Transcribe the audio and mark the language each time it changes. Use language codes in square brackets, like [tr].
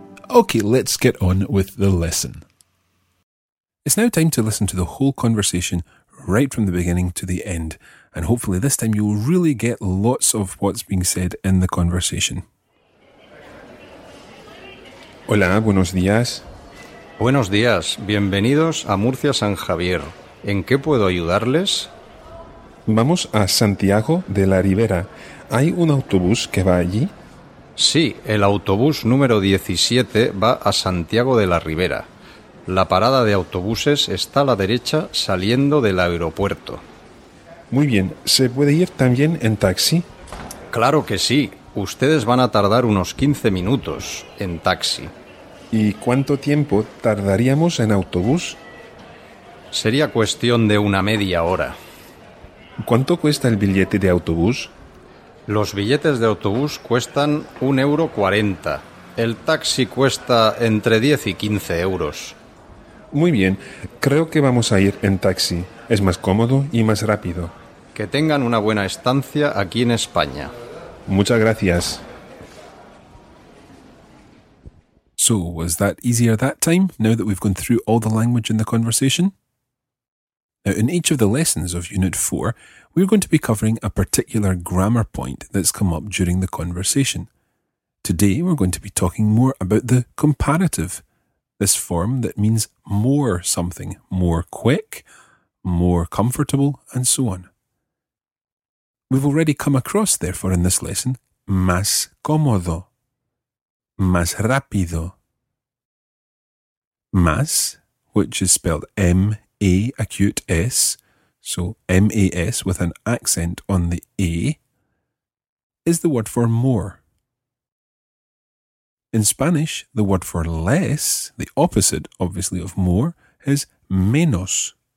[en] Okay, let's get on with the lesson. It's now time to listen to the whole conversation right from the beginning to the end. And hopefully this time you'll really get lots of what's being said in the conversation. [es] Hola, buenos días. Buenos días, bienvenidos a Murcia San Javier. ¿En qué puedo ayudarles? Vamos a Santiago de la Ribera. ¿Hay un autobús que va allí? Sí, el autobús número 17 va a Santiago de la Ribera. La parada de autobuses está a la derecha saliendo del aeropuerto. Muy bien, ¿se puede ir también en taxi? Claro que sí. Ustedes van a tardar unos 15 minutos en taxi. ¿Y cuánto tiempo tardaríamos en autobús? Sería cuestión de una media hora. ¿Cuánto cuesta el billete de autobús? Los billetes de autobús cuestan 1,40 €. El taxi cuesta entre 10 y 15 euros. Muy bien, creo que vamos a ir en taxi. Es más cómodo y más rápido. Que tengan una buena estancia aquí en España. Muchas gracias. [en] So, was that easier that time, now that we've gone through all the language in the conversation? Now, in each of the lessons of Unit 4, we're going to be covering a particular grammar point that's come up during the conversation. Today, we're going to be talking more about the comparative, this form that means more something, more quick, more comfortable, and so on. We've already come across, therefore, in this lesson, más cómodo, más rápido. Más, which is spelled M-A acute S, so M-A-S with an accent on the A, is the word for more. In Spanish, the word for less, the opposite, obviously, of more, is menos.